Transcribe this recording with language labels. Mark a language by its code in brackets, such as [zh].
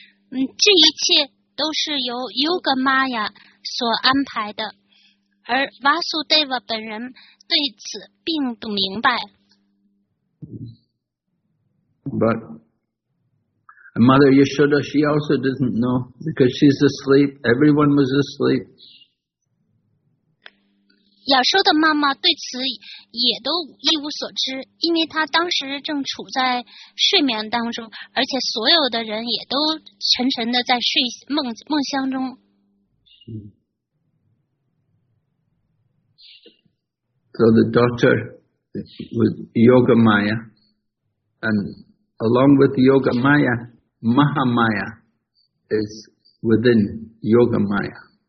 [zh] 这一切都是由 Yoga Maya 所安排的，而 Vasudeva 本人对此并不明白。 [en] But Mother Yashoda, she also didn't know because she's asleep. Everyone was asleep. [zh] 亚修的妈妈对此也都一无所知，因为她当时正处在睡眠当中，而且所有的人也都沉沉的在睡梦乡中。 [en] So the daughter was Yoga Maya, and along with Yoga Maya, Mahamaya is within Yoga Maya.